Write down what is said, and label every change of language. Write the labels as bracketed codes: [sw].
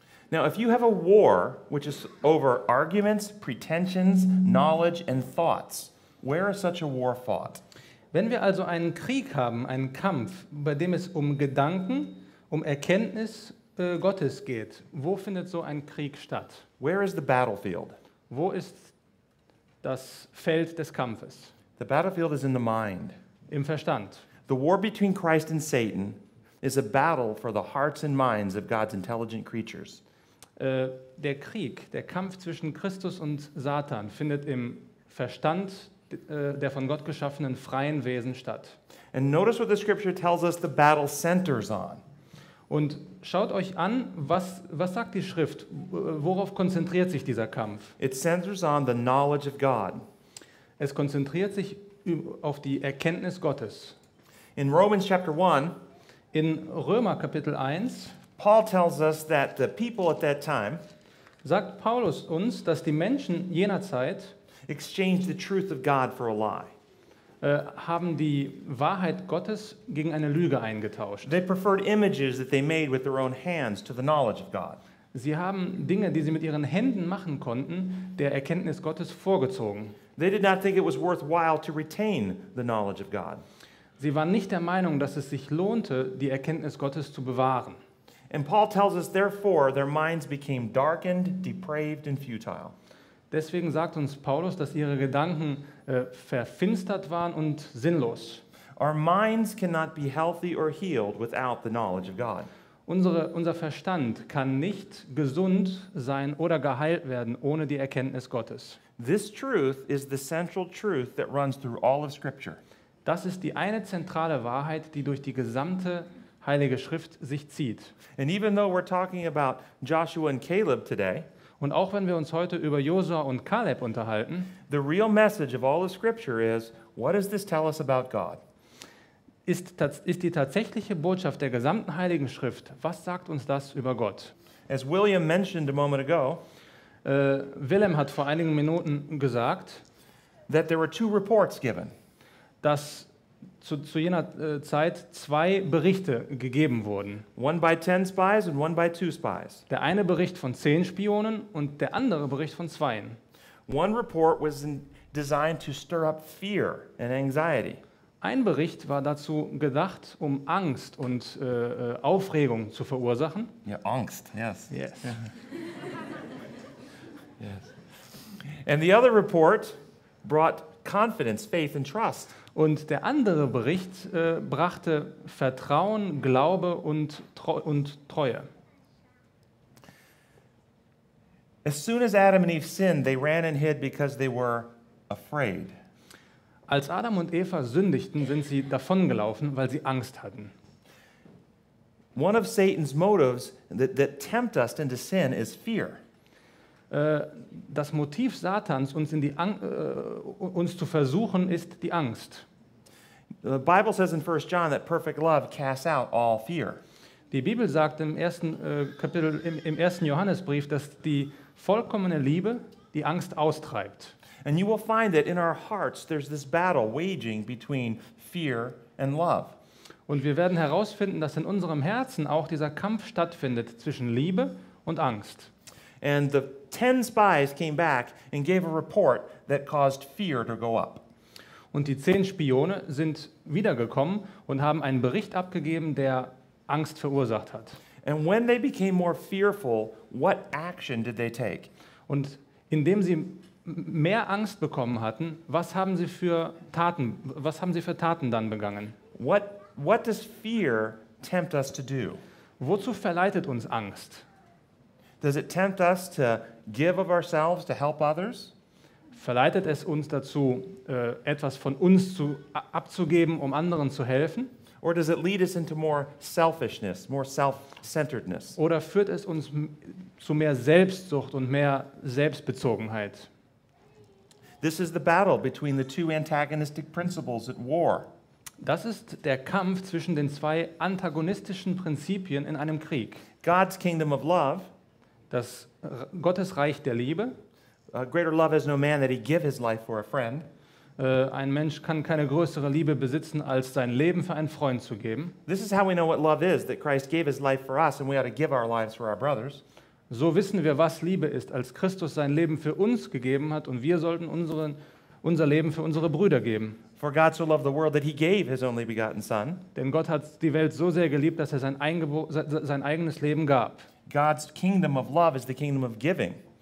[en] Now, if you have a war which is over arguments, pretensions, knowledge and thoughts, where is such a war fought? [de] Wenn wir also einen Krieg haben, einen Kampf, bei dem es um Gedanken, um Erkenntnis Gottes geht, wo findet so ein Krieg statt? [en] Where is the battlefield? [de] Wo ist das Feld des Kampfes? [en] The battlefield is in the mind. [de] Im Verstand. [en] The war between Christ and Satan is a battle for the hearts and minds of God's intelligent creatures. [de] Der Krieg, der Kampf zwischen Christus und Satan findet im Verstand der von Gott geschaffenen freien Wesen statt. [en] And notice what the scripture tells us the battle centers on. [de] Und schaut euch an, was sagt die Schrift, worauf konzentriert sich dieser Kampf? [en] It centers on the knowledge of God. [de] Es konzentriert sich auf die Erkenntnis Gottes. [en] In Romans chapter 1, [de] in Römer Kapitel 1, [en] Paul tells us that the people at that time, [de] sagt Paulus uns, dass die Menschen jener Zeit, [en] exchanged the truth of God for a lie, [de] haben die Wahrheit Gottes gegen eine Lüge eingetauscht. [en] They preferred images that they made with their own hands to the knowledge of God. [de] Sie haben Dinge, die sie mit ihren Händen machen konnten, der Erkenntnis Gottes vorgezogen. [en] They did not think it was worthwhile to retain the knowledge of God. [de] Sie waren nicht der Meinung, dass es sich lohnte, die Erkenntnis Gottes zu bewahren. [en] And Paul tells us, therefore, their minds became darkened, depraved, and futile. [de] Deswegen sagt uns Paulus, dass ihre Gedanken verfinstert waren und sinnlos. [en] Our minds cannot be healthy or healed without the knowledge of God. [de] Unser Verstand kann nicht gesund sein oder geheilt werden ohne die Erkenntnis Gottes. [en] This truth is the central truth that runs through all of Scripture. [de] Das ist die eine zentrale Wahrheit, die durch die gesamte Heilige Schrift sich zieht. [en] And even though we're talking about Joshua and Caleb today, [de] und auch wenn wir uns heute über Josua und Caleb unterhalten, [en] the real message of all of Scripture is, what does this tell us about God? [de] Ist die tatsächliche Botschaft der gesamten Heiligen Schrift, was sagt uns das über Gott? [en] As William mentioned a moment ago, [de] Willem hat vor einigen Minuten gesagt, [en] that there were two reports given, [de] dass zu jener Zeit zwei Berichte gegeben wurden. [en] One by 10 spies and one by 2 spies. [de] Der eine Bericht von 10 Spionen und der andere Bericht von 2. [en] One report was designed to stir up fear and anxiety. [de] Ein Bericht war dazu gedacht, um Angst und Aufregung zu verursachen. [en] Ja, yeah, Angst, yes. Yes. Yes. And the other report brought confidence, faith and trust. [de] Und der andere Bericht brachte Vertrauen, Glaube und Treue. [en] As soon as Adam and Eve sinned, they ran and hid because they were afraid. [de] Als Adam und Eva sündigten, sind sie davongelaufen, weil sie Angst hatten. [en] One of Satan's motives that tempt us into sin is fear. [de] Das Motiv Satans, uns zu versuchen, ist die Angst. [en] The Bible says in 1 John that perfect love casts out all fear. [de] Die Bibel sagt im ersten Kapitel im ersten Johannesbrief, dass die vollkommene Liebe die Angst austreibt. [en] And you will find that in our hearts there's this battle waging between fear and love. [de] Und wir werden herausfinden, dass in unserem Herzen auch dieser Kampf stattfindet zwischen Liebe und Angst. [en] And the 10 spies came back and gave a report that caused fear to go up. [de] Und die 10 Spione sind wiedergekommen und haben einen Bericht abgegeben, der Angst verursacht hat. [en] And when they became more fearful, what action did they take? [de] Und indem sie mehr Angst bekommen hatten, was haben sie für Taten dann begangen? [en] What does fear tempt us to do? [de] Wozu verleitet uns Angst? [en] Does it tempt us to give of ourselves to help others? [de] Verleitet es uns dazu, etwas von uns abzugeben, um anderen zu helfen? [en] Or does it lead us into more selfishness, more self-centeredness? [de] Oder führt es uns zu mehr Selbstsucht und mehr Selbstbezogenheit? [en] This is the battle between the two antagonistic principles at war. [de] Das ist der Kampf zwischen den zwei antagonistischen Prinzipien in einem Krieg. [en] God's kingdom of love, [de] das Gottesreich der Liebe. [en] A greater love has no man that he give his life for a friend. [de] Ein Mensch kann keine größere Liebe besitzen als sein Leben für einen Freund zu geben. [en] This is how we know what love is, that Christ gave his life for us and we ought to give our lives for our brothers. [de] So wissen wir, was Liebe ist, als Christus sein Leben für uns gegeben hat und wir sollten unser Leben für unsere Brüder geben. [en] For God so loved the world that he gave his only begotten son. [de] Denn Gott hat die Welt so sehr geliebt, dass er sein eigenes Leben gab. [en] God's kingdom of love is the kingdom of giving.